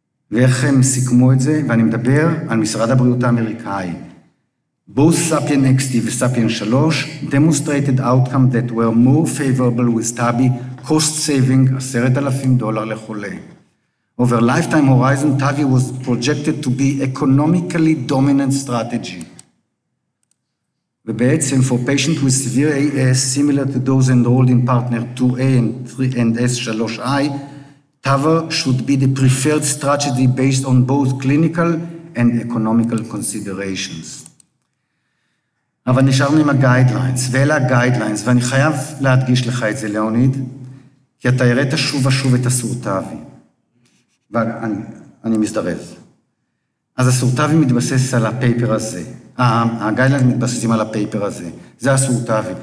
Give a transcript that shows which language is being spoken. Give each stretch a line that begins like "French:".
Hebrew: ואיך הם סיכמו את זה? ואני מדבר על משרד הבריאות האמריקאי.
English: Both Sapien XT ו-Sapien 3 demonstrated outcomes that were more favorable with TAVI, cost saving $10,000
Hebrew: לחולה.
English: Over lifetime horizon, TAVI was projected to be economically dominant strategy. ובעצם, for patients with severe AS, similar to those enrolled in partner 2A and S3I, TAVR should be the preferred strategy based on both clinical and economical considerations.
Hebrew: אבל נשארנו עם הגיידליינס, ואלה הגיידליינס, ואני חייב להדגיש לך את זה, ליאוניד, כי אתה הראית שוב ושוב את הסורטאבי. ואני מזדרז. אז הסורטאבי מתבסס על הפייפר הזה. הגיילנד מתבססים על הפייפר הזה. זה הסורטאבי.